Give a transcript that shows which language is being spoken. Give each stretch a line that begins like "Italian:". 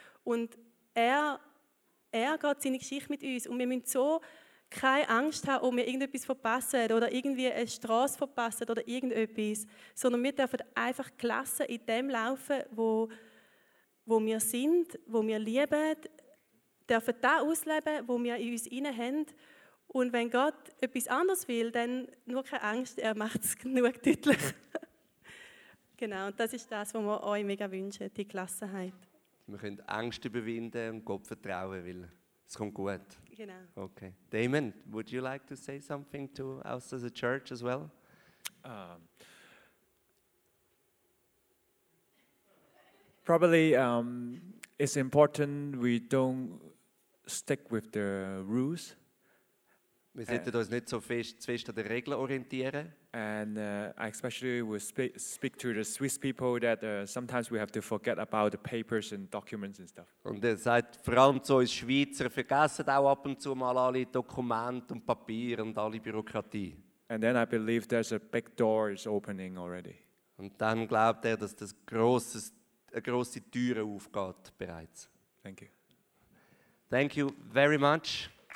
German: Und er geht seine Geschichte mit uns und wir müssen so keine Angst haben, ob wir irgendetwas verpassen oder irgendwie eine Straße verpassen oder irgendetwas, sondern wir dürfen einfach gelassen in dem laufen, wo wir sind, wo wir lieben, dürfen das ausleben, wo wir in uns inne haben. Und wenn Gott etwas anderes will, dann nur keine Angst, er macht es genug deutlich. Genau, und das ist das, was wir euch mega wünschen, die Gelassenheit. Wir können Angst überwinden und Gott vertrauen, weil es kommt gut. Genau.
English: Okay. Damon, would you like to say something to us as a church as well? Probably it's important we don't stick with the rules.
German: Wir sollten uns nicht so fest an den Regeln orientieren.
English: And especially we speak to the Swiss people that sometimes we have to forget about the papers and documents and stuff.
German: Und ihr seid vor allem zu uns Schweizer, vergessen auch ab und zu mal alle Dokumente und Papiere und alle Bürokratie.
English: And then I believe there's a big door is opening already.
German: Und dann glaubt er, dass eine grosse Tür aufgeht bereits.
English: Thank you. Thank you very much.